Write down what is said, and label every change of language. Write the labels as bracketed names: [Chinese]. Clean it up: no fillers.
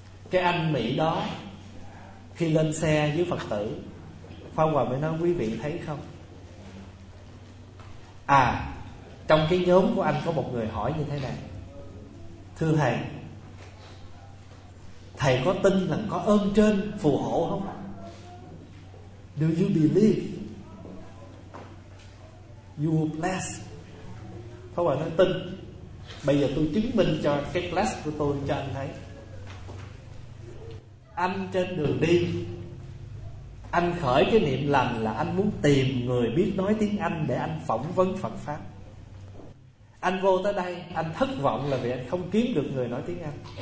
[Vietnamese] Cái anh Mỹ đó khi lên xe với Phật tử, Pháp Hòa mới nói: quý vị thấy không? À, trong cái nhóm của anh có một người hỏi như thế này: thưa thầy, thầy có tin là có ơn trên phù hộ không? [English] Do you believe you will bless? [Vietnamese] Pháp Hòa nói: tin. Bây giờ tôi chứng minh cho cái bless của tôi cho anh thấy. Anh trên đường đi, anh khởi cái niệm lành là anh muốn tìm người biết nói tiếng Anh để anh phỏng vấn Phật Pháp. Anh vô tới đây, anh thất vọng là vì anh không kiếm được người nói tiếng Anh.